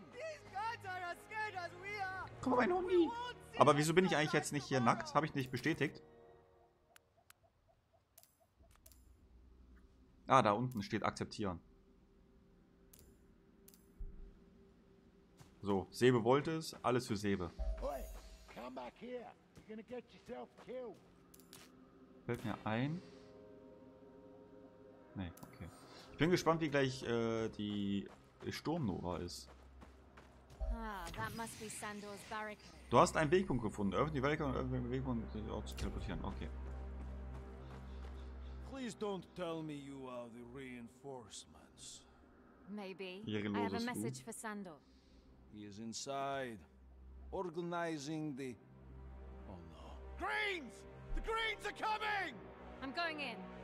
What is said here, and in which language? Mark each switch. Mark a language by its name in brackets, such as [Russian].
[English] These guys are as scared as we are! [German] Komm mal, mein Hundi! Aber wieso bin ich eigentlich jetzt nicht hier nackt? Habe ich nicht bestätigt? Ah, da unten steht akzeptieren. So, Sebe wollte es, alles für Sebe. [English] Oi, come back here. You're gonna get yourself killed. [German] Fällt mir ein. Nee, okay. Ich bin gespannt, wie gleich die Sturmnova ist. [English] Ah, that must be Sandor's barricade. [German] Du hast einen Wegpunkt gefunden. Öffne die Barrikade und öffne den Wegpunkt, um dich auch zu teleportieren. Okay. [English] Please don't tell me you are the reinforcements. Maybe. I have a message for Sandor. He is inside, organizing the... Oh no. Greens! The Greens are coming! I'm going in.